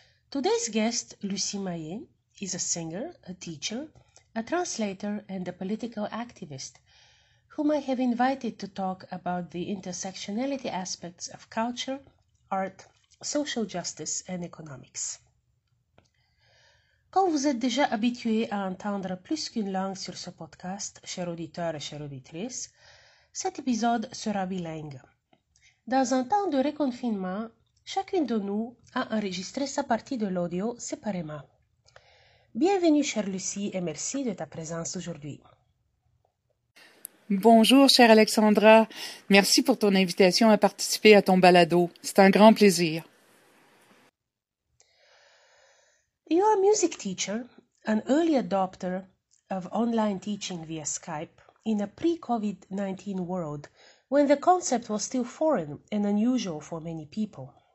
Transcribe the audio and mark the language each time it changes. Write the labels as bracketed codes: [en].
[en] Today's guest, Lucie Maillet, is a singer, a teacher, a translator and a political activist, whom I have invited to talk about the intersectionality aspects of culture, art, social justice and economics. [fr] Quand vous êtes déjà habitué à entendre plus qu'une langue sur ce podcast, chers auditeurs et chères auditrices, cet épisode sera bilingue. Dans un temps de reconfinement, chacune de nous a enregistré sa partie de l'audio séparément. Bienvenue, chère Lucie, et merci de ta présence aujourd'hui. Bonjour, chère Alexandra. Merci pour ton invitation à participer à ton balado. C'est un grand plaisir. [en] You are a music teacher, an early adopter of online teaching via Skype, in a pre-COVID-19 world when the concept was still foreign and unusual for many people.